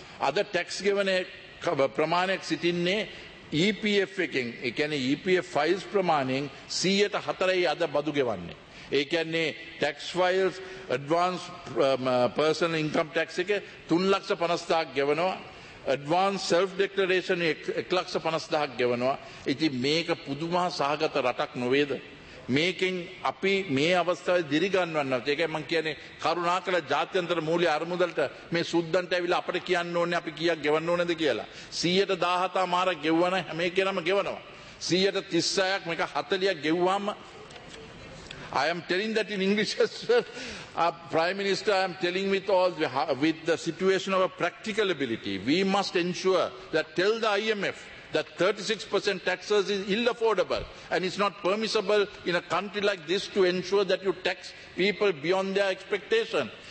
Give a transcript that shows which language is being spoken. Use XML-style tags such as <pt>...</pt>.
<si>අද ටැක්ස් ගෙවන ප්‍රමාණයක් සිටින්නේ EPF එකෙන්, ඒ කියන්නේ EPF ෆයිල්ස් ප්‍රමාණයෙන් 104% අද බදු ගෙවන්නේ. ඒ කියන්නේ tax files advance personal income tax එක 3,50,000ක් ගෙවනවා. advance self declaration 150,000ක් ගෙවනවා. ඉතින් මේක පුදුමා සහගත රටක් නොවේද? මේකෙන් අපි මේ අවස්ථාවේ දිරිගන්වන්න ඕනේ. ඒකයි මම කියන්නේ කරුණාකර ජාත්‍යන්තර මූල්‍ය අරමුදලට මේ සුද්ධන්ට ඇවිල්ලා අපිට කියන්න ඕනේ අපි කීයක් ගෙවන්න ඕනේද කියලා. 117 මාරක් ගෙවුවා නම් මේ කියනම ගෙවනවා. 136ක් මේක 40ක් ගෙවුවාම</si> <en>I am telling that in English as well. Prime Minister, I am telling with the situation of a practical ability, we must ensure that tell the IMF that 36% taxes is ill-affordable and it's not permissible in a country like this to ensure that you tax people beyond their expectation.</en>